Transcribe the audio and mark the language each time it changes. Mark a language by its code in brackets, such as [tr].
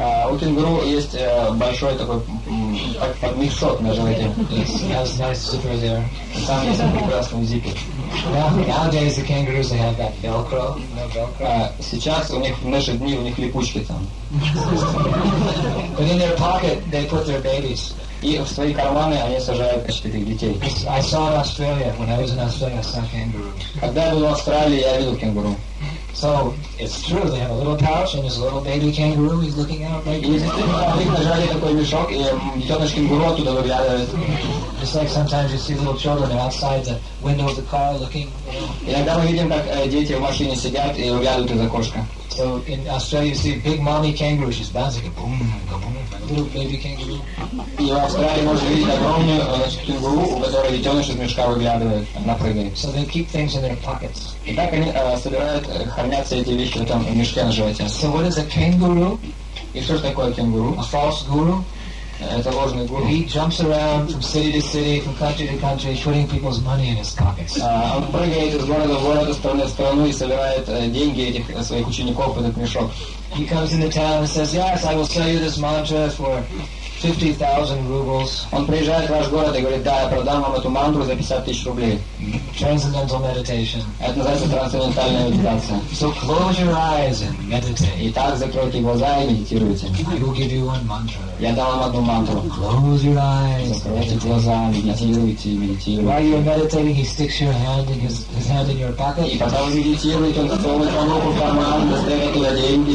[ru] У кенгуру есть большой такой подмешок на животе. [en] Yes, it has nice zipper there. [ru] And там есть прекрасный зипер. [en] Nowadays the kangaroos, they have that velcro. [ru] Сейчас у них в наши дни у них липучки там. [en] But in their pocket they put their babies. [ru] И в свои карманы они сажают четырех детей. [en] I saw in Australia when I was in Australia, I saw kangaroos. [ru] Когда я был в Австралии, я видел кенгуру. [en] So it's true they have a little pouch and there's a little baby kangaroo he's looking out right now. Just like sometimes you see little children outside the window of the car looking. [ru] Иногда мы видим, как дети в машине сидят и выглядывают из окошка. [en] So in Australia you see big mommy kangaroo, she's bouncing a boom, go boom, little baby kangaroo. [ru] И в Австралии можно видеть огромную кенгуру, у которой детеныш из мешка выглядывает, она прыгает. [en] So they keep things in their pockets. [ru] И так они собирают, хранят все эти вещи в этом мешке на животе. [en] So what is a kangaroo? [ru] И что же такое кенгуру? [en] A false guru? [ru] Это ложный гуру. [en] He jumps around from city to city, from country to country, putting people's money in his pockets. [ru] Он прыгает из города в город, из страны в страну и собирает деньги этих своих учеников в этот мешок. [en] He comes in the town and says, "Yes, I will sell you this mantra for 50,000 rubles." [ru] Он приезжает в ваш город и говорит, "Да, я продам вам эту мантру за 50,000 рублей." [en] Transcendental meditation. [ru] Это называется трансцендентальная медитация. [en] So close your eyes and meditate. [ru] Итак, закройте глаза и медитируйте. [en] I will give you one mantra. [ru] Я дал вам одну мантру. [en] Close your eyes. [ru] Закройте глаза, медитируйте, медитируйте. [en] While you're meditating, he sticks your hand in his hand in your pocket. [ru] И пока вы медитируете, он засовывает вам руку в карман, достает туда деньги,